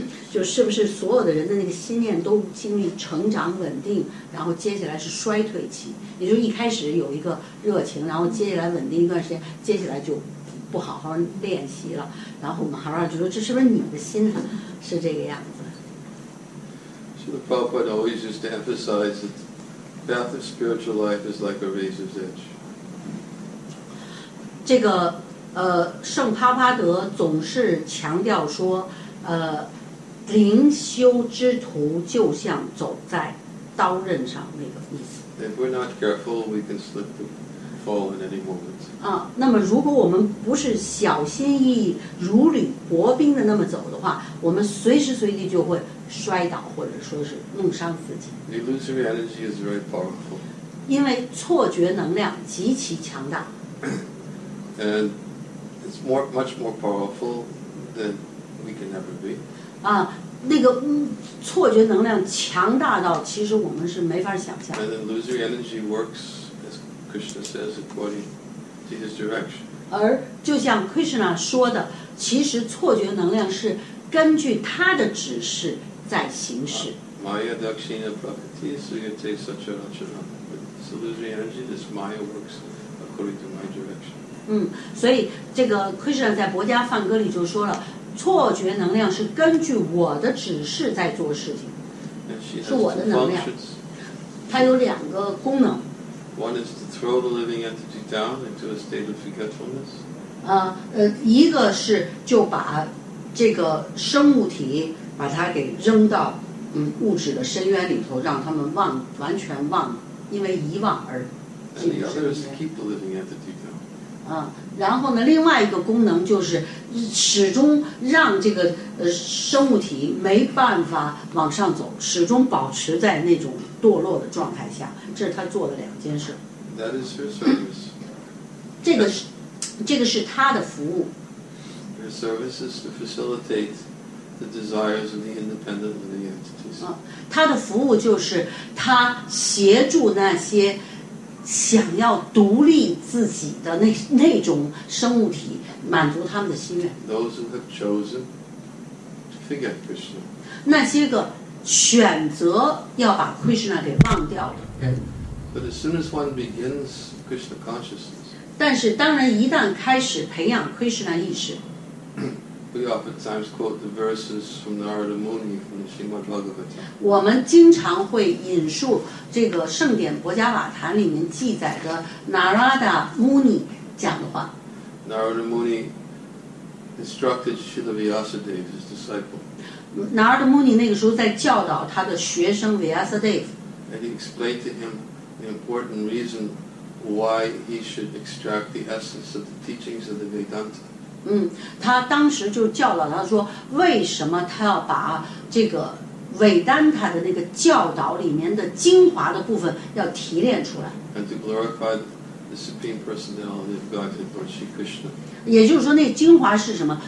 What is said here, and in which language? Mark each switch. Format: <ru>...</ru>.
<zh>就是不是所有的人的那个心念都经历成长稳定，然后接下来是衰退期，也就是一开始有一个热情，然后接下来稳定一段时间，接下来就不好好练习了。然后马哈拉就说：“这是不是你的心呢？是这个样子。”</zh> <en>So the Prabhupada always used to emphasize that the path of spiritual life is like a razor's edge.</en> <zh>这个圣帕帕德总是强调说，灵修之徒就像走在刀刃上那个意思。</zh> <en>If we're not careful, we can slip and fall in any moment.</en> <zh>那么如果我们不是小心翼翼、如履薄冰的那么走的话，我们随时随地就会摔倒，或者说是弄伤自己。</zh> <en>The illusory energy is very powerful.</en> <zh>因为错觉能量极其强大。</zh> <en>And it's more, much more powerful than. We can never be.</en> <zh>那个错觉能量强大到其实我们是没法想象。</zh> <en>And the illusory energy works, as Krishna says, according to his direction.</en> <zh>而就像 Krishna 说的，其实错觉能量是根据他的指示在行事。</zh> <sa>Maya dakshina prakriti sugate sacharachara.</sa> <en>This illusory energy, this Maya works according to my direction.</en> <zh>所以这个 Krishna 在薄伽梵歌里就说了。错觉能量是根据我的指示在做事情，是我的能量。它有两个功能。</zh> <en>One is to throw the living entity down into a state of forgetfulness.</en> <zh>一个是就把这个生物体把它给扔到物质的深渊里头，让他们忘完全忘，因为遗忘而进入深渊。</zh> <en>And the other is to keep the living entity down.</en> <zh>然后呢，另外一个功能就是始终让这个生物体没办法往上走，始终保持在那种堕落的状态下。这是他做的两件事。</zh> <en>That is her service.</en> <zh>这个是他的服务。</zh> <en>Her service is to facilitate the desires of the independent living entities.</en> <zh>他的服务就是他协助那些。想要独立自己的 那种生物体满足他们的心愿。</zh> <en>Those who have chosen to forget Krishna.</en> <zh>那些个选择要把 Krishna 给忘掉的人。</zh> <en>But as soon as one begins Krishna consciousness.</en> <zh>但是当人一旦开始培养 Krishna 意识。</zh> <en>We oftentimes quote the verses from Narada Muni from the Srimad Bhagavatam.</en> <zh>我们经常会引述这个圣典薄伽瓦坛里面记载的 Narada Muni 讲的话。</zh> <en>Narada Muni instructed Śrīla Vyāsadeva, his disciple.</en> <zh>Narada Muni 那个时候在教导他的学生 Vyāsadeva.</zh> <en>And he explained to him the important reason why he should extract the essence of the teachings of the Vedanta.</en> <zh>他当时就教导他说，为什么他要把这个韦丹塔的那个教导里面的精华的部分要提炼出来。</zh> <en>And to glorify the supreme personality of Godhead, Lord Shri Krishna.</en> <zh>也就是说，那精华是什么？</zh>